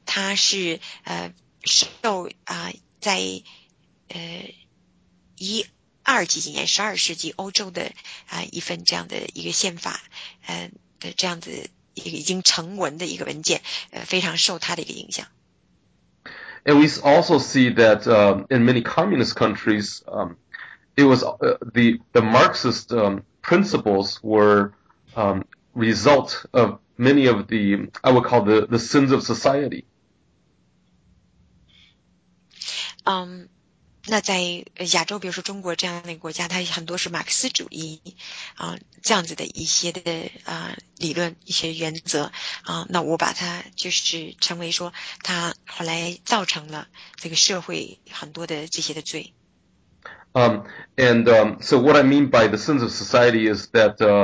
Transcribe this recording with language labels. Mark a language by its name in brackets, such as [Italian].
[Chinese] 它是受在12几几年12世纪欧洲的一份这样的一个宪法的这样子一个已经成文的一个文件，非常受它的一个影响。 [English] And we also see that in many communist countries, it was the Marxist principles were result of many of the I would call the sins of society. [Chinese] 那在亚洲，比如说中国这样的国家，它很多是马克思主义这样子的一些的理论、一些原则那我把它就是称为说，它后来造成了这个社会很多的这些的罪。 [English] So what I mean by the sins of society is that